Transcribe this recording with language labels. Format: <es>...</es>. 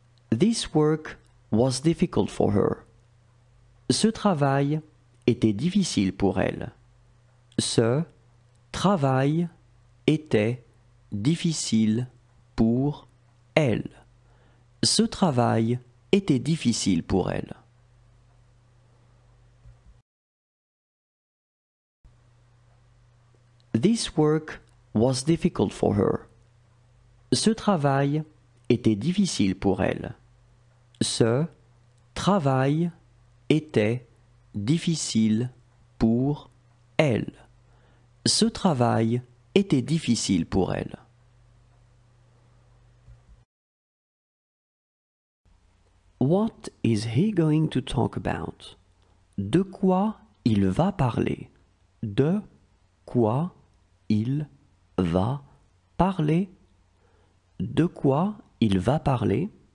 <en>This work was difficult for her.</en> <fr>Ce travail était difficile pour elle. Ce travail était difficile pour elle. Ce travail était difficile pour elle.</fr> <en>This work was difficult for her.</en> <fr>Ce travail était difficile pour elle. Ce travail était difficile pour elle. Ce travail était difficile pour elle.</fr> <en>What is he going to talk about?</en> <fr>De quoi Il va parler. De quoi il va parler? De quoi il va parler?</fr>